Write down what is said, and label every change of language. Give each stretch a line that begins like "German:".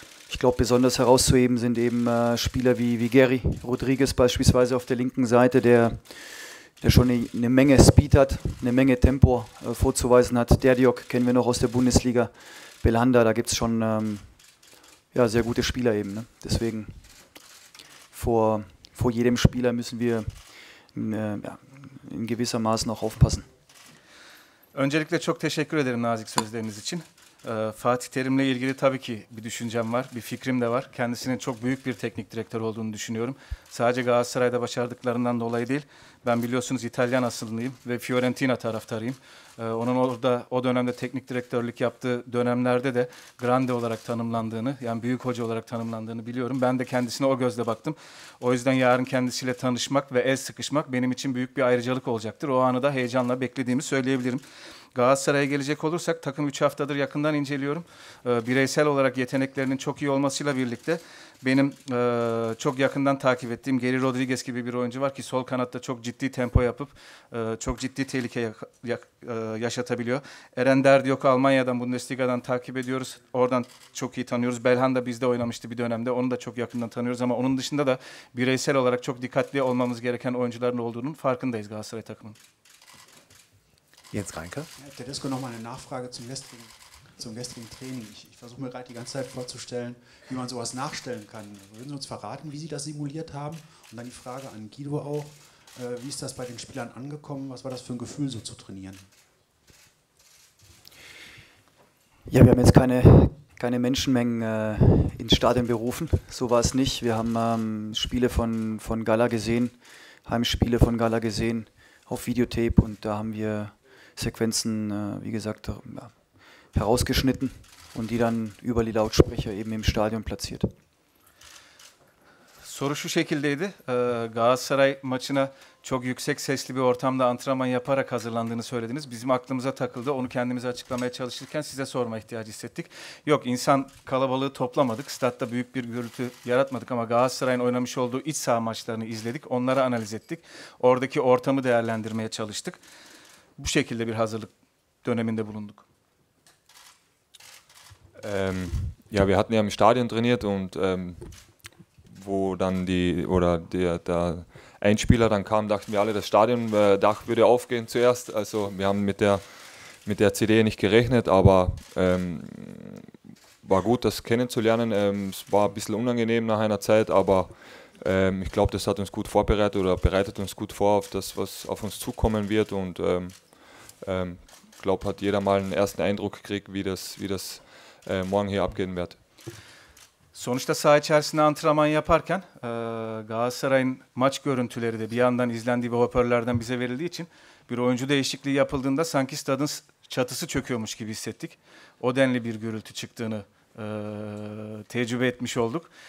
German: Ich glaube, besonders herauszuheben sind eben Spieler wie Gary Rodriguez beispielsweise auf der linken Seite, der schon eine Menge Speed hat, eine Menge Tempo vorzuweisen hat. Derdiok kennen wir noch aus der Bundesliga, Belhanda, da gibt es schon sehr gute Spieler eben. Ne? Deswegen. Vor jedem Spieler müssen wir in gewisser Maßen auch aufpassen.
Turkish: Öncelikle çok teşekkür ederim nazik sözleriniz için. Fatih Terim'le ilgili tabii ki bir düşüncem var, bir fikrim de var. Kendisinin çok büyük bir teknik direktör olduğunu düşünüyorum. Sadece Galatasaray'da başardıklarından dolayı değil. Ben biliyorsunuz İtalyan asıllıyım ve Fiorentina taraftarıyım. Onun orada o dönemde teknik direktörlük yaptığı dönemlerde de grande olarak tanımlandığını, yani büyük hoca olarak tanımlandığını biliyorum. Ben de kendisine o gözle baktım. O yüzden yarın kendisiyle tanışmak ve el sıkışmak benim için büyük bir ayrıcalık olacaktır. O anı da heyecanla beklediğimi söyleyebilirim. Galatasaray'a gelecek olursak takım 3 haftadır yakından inceliyorum. Bireysel olarak yeteneklerinin çok iyi olmasıyla birlikte benim çok yakından takip ettiğim Gary Rodriguez gibi bir oyuncu var ki sol kanatta çok ciddi tempo yapıp çok ciddi tehlike yaşatabiliyor. Eren Derdiok'u Almanya'dan, Bundesliga'dan takip ediyoruz. Oradan çok iyi tanıyoruz. Belhanda bizde oynamıştı bir dönemde. Onu da çok yakından tanıyoruz ama onun dışında da bireysel olarak çok dikkatli olmamız gereken oyuncuların olduğunun farkındayız Galatasaray takımının.
German: Jens Reinke. Tedesco, nochmal eine Nachfrage zum gestrigen zum gestrigen Training. Ich versuche mir gerade die ganze Zeit vorzustellen, wie man sowas nachstellen kann. Würden Sie uns verraten, wie Sie das simuliert haben? Und dann die Frage an Guido auch, wie ist das bei den Spielern angekommen? Was war das für ein Gefühl, so zu trainieren? Ja, wir haben jetzt keine Menschenmengen ins Stadion berufen. So war es nicht. Wir haben Spiele von Gala gesehen, Heimspiele von Gala gesehen auf Videotape und da haben wir Sequenzen, wie gesagt, herausgeschnitten und die dann über die Lautsprecher eben im Stadion platziert.
Turkish: Soru şu şekildeydi. Galatasaray maçına çok yüksek sesli bir ortamda antrenman yaparak hazırlandığını söylediniz. Bizim aklımıza takıldı. Onu kendimize açıklamaya çalışırken size sorma ihtiyacı hissettik. Yok, insan kalabalığı toplamadık. Statta büyük bir gürültü yaratmadık ama Galatasaray'ın oynamış olduğu iç saha maçlarını izledik. Onları analiz ettik. Oradaki ortamı değerlendirmeye çalıştık. Bu şekilde bir hazırlık döneminde bulunduk.
German: Ja, wir hatten ja im Stadion trainiert und wo dann der Einspieler dann kam, dachten wir alle, das Stadiondach würde aufgehen zuerst. Also wir haben mit der CD nicht gerechnet, aber war gut, das kennenzulernen. Es war ein bisschen unangenehm nach einer Zeit, aber ich glaube, das hat uns gut vorbereitet oder bereitet uns gut vor auf das, was auf uns zukommen wird. Und ich glaube, hat jeder mal einen ersten Eindruck gekriegt, wie das morgen hier abgehen wird.
Turkish: Sonuçta saha içerisinde antrenman yaparken Galatasaray'ın maç görüntüleri de bir yandan izlendiği ve hoparlörlerden bize verildiği için bir oyuncu değişikliği yapıldığında sanki stadın çatısı çöküyormuş gibi hissettik. O denli bir gürültü çıktığını tecrübe etmiş olduk.